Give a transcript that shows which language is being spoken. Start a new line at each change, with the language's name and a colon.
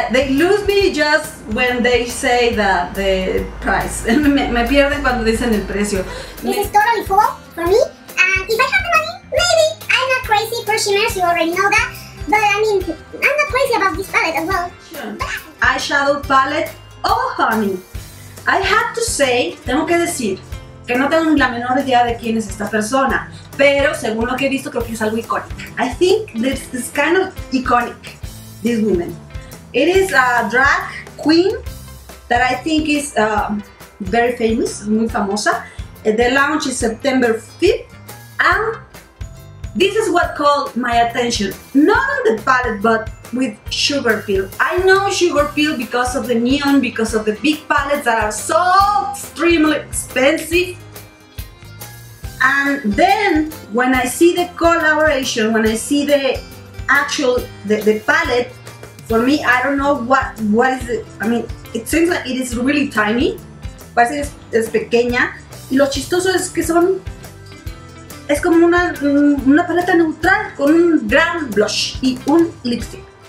English: They lose me just when they say that the price.
Spanish: Me pierden cuando dicen el precio.
English: This is totally full for me. And if I have the money, maybe. I'm not crazy for shimmers, you already know that. But I mean, I'm not crazy about this palette as well. Sure. Eyeshadow palette. Oh, honey. I have to say,
Spanish: tengo que decir, que no tengo la menor idea de quién es esta persona. Pero según lo que he visto, creo que es algo icónico.
English: I think this is kind of iconic, this woman. It is a drag queen that I think is very famous,
Spanish: muy famosa.
English: The launch is September 5th. And This is what called my attention. Not on the palette, but with sugar peel. I know sugar peel because of the neon, because of the big palettes that are so extremely expensive. And then when I see the collaboration, when I see the actual the palette, for me, I don't know what is it. I mean, it seems like it is really tiny.
Spanish: Parece que es pequeña. Y lo chistoso es que son... Es como una paleta neutral con un gran blush y un lipstick.